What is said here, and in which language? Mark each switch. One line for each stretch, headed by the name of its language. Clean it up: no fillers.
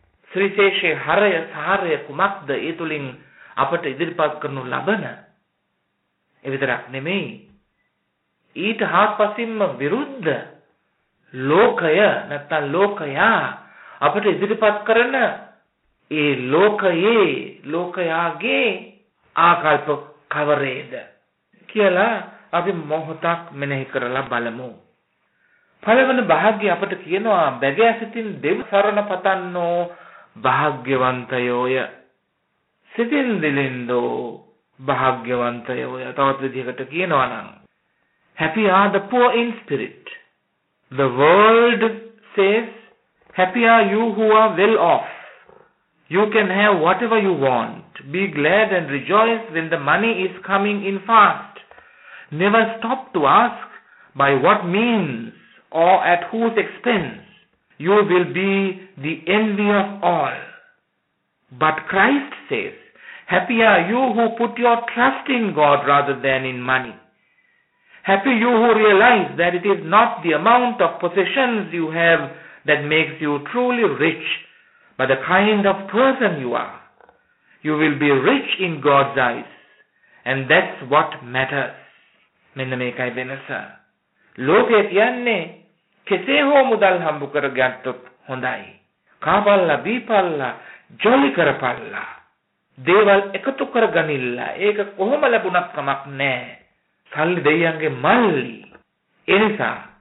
Sinhala: ශ්‍රීශේෂේ හරය සාරය කුමක්ද? ඒ තුලින් අපට ඉදිරිපත් කරනු ලබන ඒ විතරක් නෙමෙයි, ඊට හාත්පසින්ම විරුද්ධ ලෝකය නැත්තම් ලෝකයා අපට ඉදිරිපත් කරන ඒ ලෝකයේ ලෝකයාගේ ආකල්ප කවරේද කියලා අපි මොහොතක් මෙනෙහි කරලා බලමු. පළවෙනි භාග්‍ය අපට කියනවා බැගෑසිතින් දෙව් සරණ පතන්නෝ භාග්‍යවන්තයෝය. සිතින් දිලින්දෝ භාග්‍යවන්තයෝය. තවත් විදිහකට කියනවා නම්
English: Happy are the poor in spirit. The world says, happy are you who are well off. You can have whatever you want. Be glad and rejoice when the money is coming in fast. Never stop to ask by what means or at whose expense. You will be the envy of all. But Christ says, happy are you who put your trust in God rather than in money. Happy you who realize that it is not the amount of possessions you have that makes you truly rich, but the kind of person you are. You will be rich in God's eyes, and that's what matters.
Sinhala: මෙන්න මේකයි වෙනස. ලෝකයේ කියන්නේ කෙසේ හෝ මුදල් හම්බ කර ගත්තොත් හොඳයි. කාපල්ලා දීපල්ලා ජොලි කරපල්ලා. දේවල් එකතු කරගනිල්ලා. ඒක කොහොම ලැබුණත් කමක් නැහැ. සල්ලි දෙයියන්ගේ මල්ලි. එනිසා